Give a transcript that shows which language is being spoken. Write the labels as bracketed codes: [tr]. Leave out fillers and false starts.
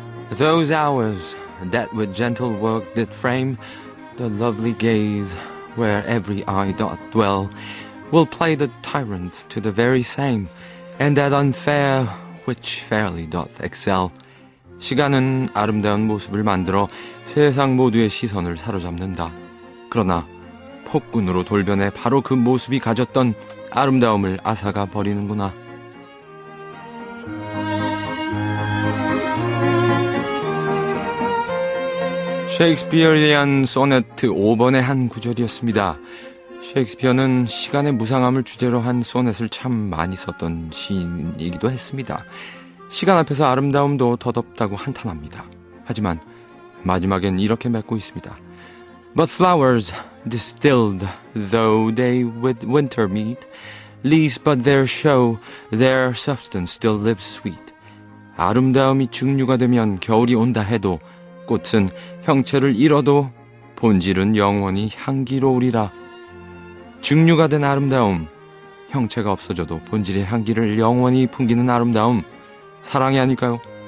[en] those hours that with gentle work did frame the lovely gaze where every eye doth dwell, will play the tyrant to the very same, and that unfair which fairly doth excel. [ko] 시간은 아름다운 모습을 만들어 세상 모두의 시선을 사로잡는다. 그러나 폭군으로 돌변해 바로 그 모습이 가졌던 아름다움을 앗아가 버리는구나. 셰익스피어리안 소네트 5번의 한 구절이었습니다. 셰익스피어는 시간의 무상함을 주제로 한 소넷을 참 많이 썼던 시인이기도 했습니다. 시간 앞에서 아름다움도 덧없다고 한탄합니다. 하지만 마지막엔 이렇게 맺고 있습니다. [en] But flowers distilled though they with winter meet, lease but their show, their substance still lives sweet. [ko] 아름다움이 증류가 되면 겨울이 온다 해도 꽃은 형체를 잃어도 본질은 영원히 향기로우리라. 증류가 된 아름다움, 형체가 없어져도 본질의 향기를 영원히 풍기는 아름다움, 사랑이 아닐까요?